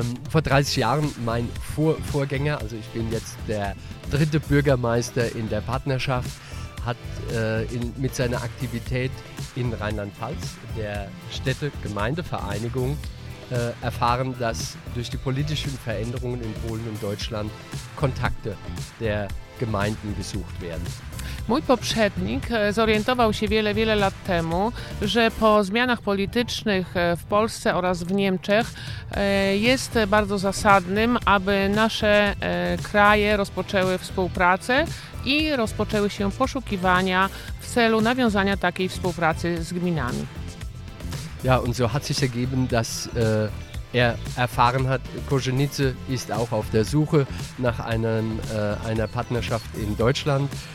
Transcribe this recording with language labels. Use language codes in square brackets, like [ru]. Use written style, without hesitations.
[de] Vor 30 Jahren mein Vorgänger, also ich bin jetzt der dritte Bürgermeister in der Partnerschaft, hat mit seiner Aktivität in Rheinland-Pfalz, der Städte-Gemeindevereinigung, erfahren, dass durch die politischen Veränderungen in Polen und Deutschland Kontakte der Gemeinden gesucht werden. [pl] Mój poprzednik zorientował się wiele, wiele lat temu, że po zmianach politycznych w Polsce oraz w Niemczech jest bardzo zasadnym, aby nasze kraje rozpoczęły współpracę i rozpoczęły się poszukiwania w celu nawiązania takiej współpracy z gminami. [de] Ja, und so hat sich ergeben, dass erfahren hat, Kozienice ist auch auf der Suche nach einer Partnerschaft in Deutschland.